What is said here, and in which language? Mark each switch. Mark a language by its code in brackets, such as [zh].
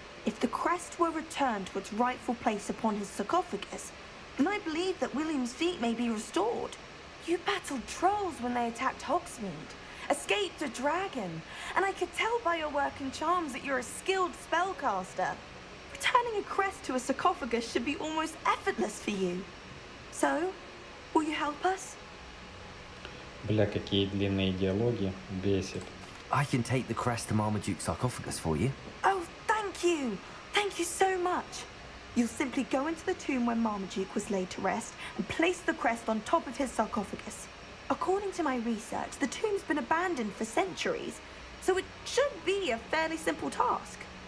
[en] If the crest were returned to its rightful place upon his sarcophagus, then I believe that William's feet may be restored. You battled trolls when they attacked Hogsmid, escaped a dragon, and I could tell by your work and charms that you're a skilled spellcaster. Returning a crest to a sarcophagus should be almost effortless for you. So, will you help us? [ru] Бля, какие длинные диалоги, бесит. [en] I can take the crest to Marmaduke's sarcophagus for you. Oh, thank you. Thank you so much. You'll simply go into the tomb where Marmaduke was laid to rest and place the crest on top of his sarcophagus. According to my research, the tomb's been abandoned for centuries, so it should be a fairly simple task.